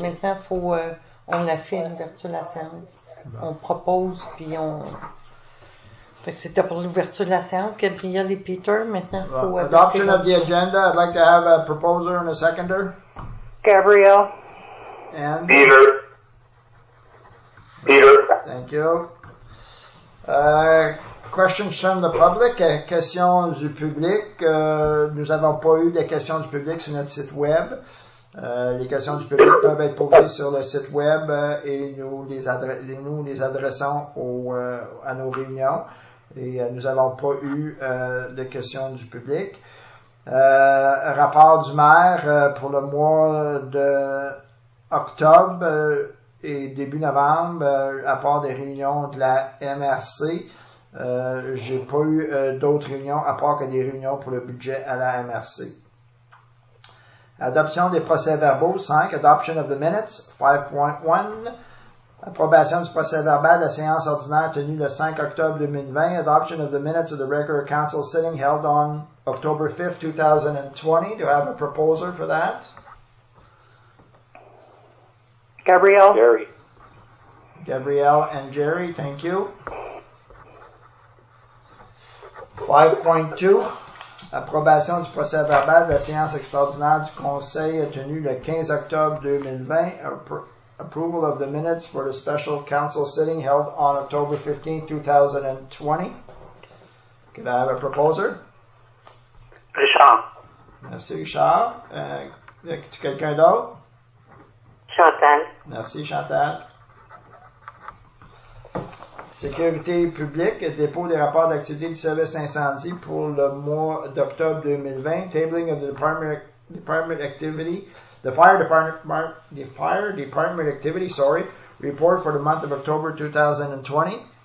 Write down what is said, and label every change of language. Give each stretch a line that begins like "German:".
French: Maintenant, faut, on a fait l'ouverture de la séance. Bon. On propose, puis on. Fait que c'était pour l'ouverture de la séance, Gabriel et Peter. Maintenant, il faut.
English: Adoption of the agenda. I'd like to have a proposer and a seconder. Gabriel. And. Peter. Peter. Thank you. Questions from the public,
French: questions du public. Nous n'avons pas eu de questions du public sur notre site web. Les questions du public peuvent être posées sur le site web et nous les adressons à nos réunions. Et nous n'avons pas eu de questions du public. Rapport du maire pour le mois de octobre. Et début novembre, à part des réunions de la MRC, j'ai pas eu d'autres réunions à part que des réunions pour le budget à la MRC. Adoption des procès-verbaux, 5.
English: Adoption of the minutes, 5.1.
French: Approbation du procès-verbal de la séance ordinaire tenue le 5 octobre 2020.
English: Adoption of the minutes of the regular council sitting held on October 5th, 2020. Do I have a proposer for that? Gabrielle. Jerry. Gabrielle and Jerry, thank you. 5.2.
French: Approbation du procès verbal de la séance extraordinaire du Conseil tenue le 15 octobre 2020.
English: Approval of the minutes for the special council sitting held on October 15, 2020. Can I have a proposer? Richard.
French: Merci, Richard. Est-ce que quelqu'un d'autre? Chantal. Merci, Chantal. Sécurité publique, dépôt des rapports d'activité du service incendie pour le mois d'octobre 2020.
English: Tabling of the department activity, the fire department activity, sorry, report for the month of October 2020.